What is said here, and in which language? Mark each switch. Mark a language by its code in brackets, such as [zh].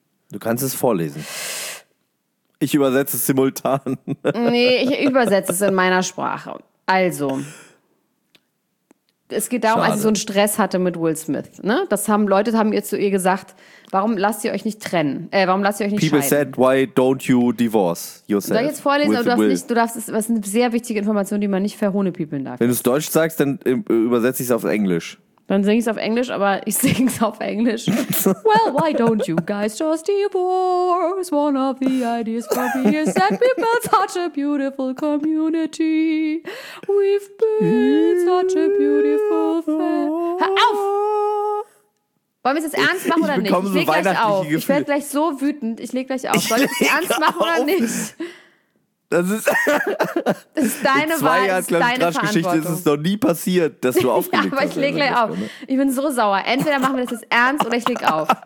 [de] Du kannst es vorlesen. Ich übersetze es simultan. Nee, ich übersetze es in meiner Sprache. Also, es geht darum, als sie so einen Stress hatte mit Will Smith. Ne? Das haben Leute, haben ihr zu ihr gesagt, warum lasst ihr euch nicht trennen? Warum lasst ihr euch nicht [en] People [de] scheiden? [en] People said, why don't you divorce yourself? [de] Soll ich jetzt vorlesen? Aber du darfst, das ist eine sehr wichtige Information, die man nicht verhohnepiepeln darf. Wenn du es Deutsch sagst, dann übersetze ich es auf Englisch. Dann singe ich es auf Englisch, aber ich singe es auf Englisch. [en] Well, why don't you guys just divorce? One of the ideas for me is that we built such a beautiful community. We've built such a beautiful family. [de] Hör auf! Wollen wir es jetzt ernst machen oder nicht? Ich lege gleich auf. Ich werde gleich so wütend. Ich lege gleich auf. Soll ich es ernst machen oder nicht? Das ist deine Wahl, das ist deine Verantwortung. Ist es noch nie passiert, dass du aufgelegt hast. Ja, aber ich lege gleich auf. Ich bin so sauer. Entweder machen wir das jetzt ernst oder ich lege auf.